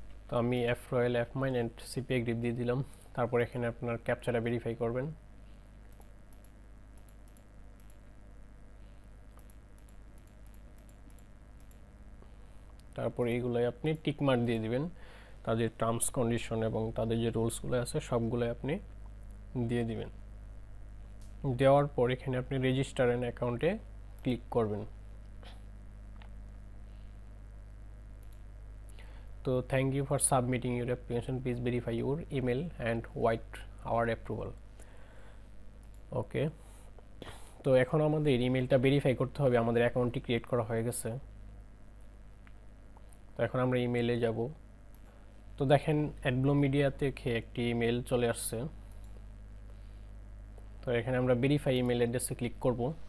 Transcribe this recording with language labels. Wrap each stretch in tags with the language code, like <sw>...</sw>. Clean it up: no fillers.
<bn>তো আমি F royal, F mine and CP grip দিয়ে দিলাম। তারপর এখানে আপনার ক্যাপচারটা ভেরিফাই করবেন, তারপর এইগুলোই আপনি টিক মার্ক দিয়ে দিবেন, তাদের টার্মস কন্ডিশন এবং তাদের যে রুলসগুলো আছে সবগুলো আপনি দিয়ে দিবেন। দেওয়ার পর এখানে আপনি রেজিস্টার অ্যান অ্যাকাউন্টে ক্লিক করবেন।</bn> <en>So thank you for submitting your application. Please verify your email and wait our approval. Okay.</en> <bn>তো এখন আমাদের ইমেলটা ভেরিফাই করতে হবে, আমাদের অ্যাকাউন্টটি ক্রিয়েট করা হয়ে গেছে। তো এখন আমরা ইমেলে যাব। তো দেখেন Adbluemedia থেকে একটি ইমেল চলে আসছে, তো এখানে আমরা ভেরিফাই ইমেল অ্যাড্রেসে ক্লিক করব।</bn>